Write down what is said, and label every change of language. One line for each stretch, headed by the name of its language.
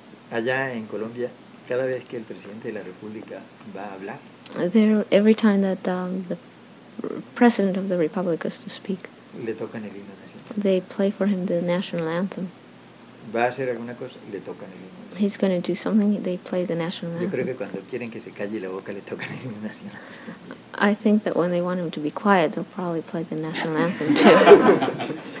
Spanish: Allá en Colombia, cada vez que el presidente de la República va a hablar,
English: there, every time that the president of the Republic is to speak,
Spanish: le tocan el himno nacional.
English: They play for him the national anthem.
Spanish: Va a hacer alguna cosa, le tocan el himno.
English: He's going to do something, they play the national anthem.
Spanish: Yo creo que cuando quieren que se calle la boca, le tocan el himno nacional.
English: I think that when they want him to be quiet, they'll probably play the national anthem too.